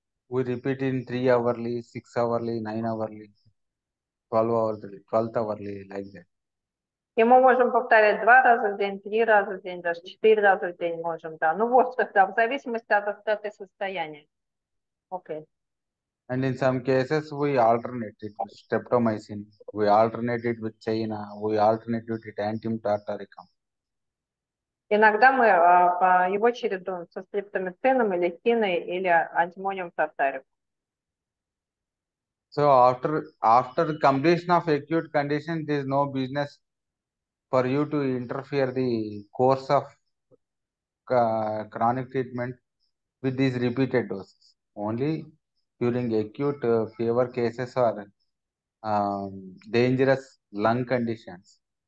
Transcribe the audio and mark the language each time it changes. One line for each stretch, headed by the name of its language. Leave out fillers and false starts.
English: We repeat in 3 hourly, 6 hourly, 9 hourly, 12 hourly, 12th hourly, like that.
Russian: И мы можем повторять 2 раза в день, 3 раза в день, даже 4 раза в день можем, да. Ну вот, да, в зависимости от остроты состояния.
English: Окей. And in some cases we alternate it with streptomycin, we alternate it with China, we alternate it with antimum tartaricum.
Russian: Иногда мы его чередуем со стрептомицином или хиной или антимонием тартарик.
English: So after completion of acute condition, there is no business for you to interfere the course of chronic treatment with these repeated doses. Only during acute fever cases or dangerous lung conditions.